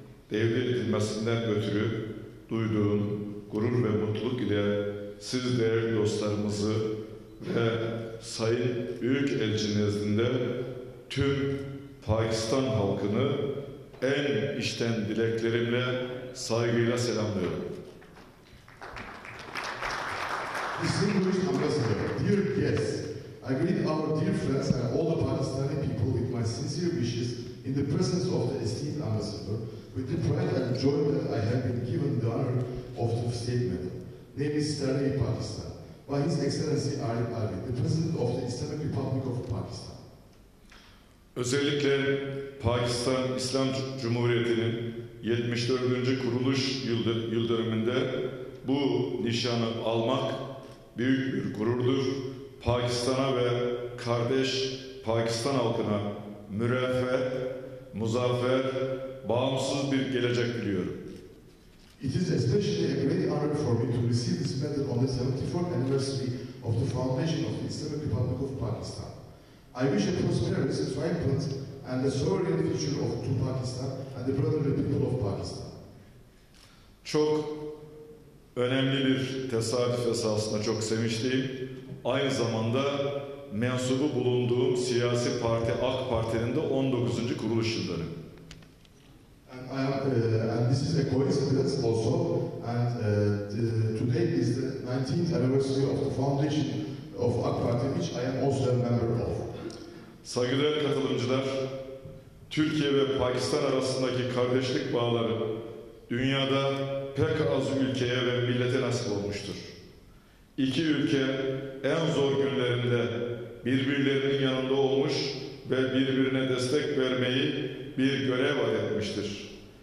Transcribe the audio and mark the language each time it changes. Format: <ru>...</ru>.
<tr>devredilmesinden ötürü duyduğum gurur ve mutluluk ile siz değerli dostlarımızı ve Sayın Büyükelçi nezdinde tüm Pakistan halkını en içten dileklerimle saygıyla selamlıyorum.</tr> <en>Distinguished Ambassador, dear guests, I greet our dear friends and all the Pakistani people with my sincere wishes in the presence of the esteemed ambassador, with the pride and joy that I have been given the honor of the state medal, namely Sıtre-i Pakistan, by His Excellency Arif Albi, the President of the Islamic Republic of Pakistan.</en> <tr>Özellikle Pakistan İslam Cumhuriyeti'nin 74. kuruluş yıl dönümünde bu nişanı almak büyük bir gururdur. Pakistan'a ve kardeş Pakistan halkına müreffeh, muzaffer, bağımsız bir gelecek diliyorum.</tr> <en>It is especially a great honor for me to receive this medal on the 74th anniversary of the foundation of the Islamic Republic of Pakistan. I wish a prosperous, triumphant and a sovereign future of to Pakistan and the brotherly people of Pakistan.</en> <tr>Çok önemli bir tesadüf esasında çok sevinçliyim. Aynı zamanda mensubu bulunduğum siyasi parti AK Parti'nin de 19. kuruluş yıldönümü.</tr> <en>And this is a coincidence also, and today is the 19th anniversary of the foundation of AK Parti, which I am also a member of.</en> <tr>Saygıdeğer katılımcılar, Türkiye ve Pakistan arasındaki kardeşlik bağları dünyada pek az ülkeye ve millete nasip olmuştur. İki ülke en zor günlerinde birbirlerinin yanında olmuş ve birbirine destek vermeyi bir görev adetmiştir.</tr>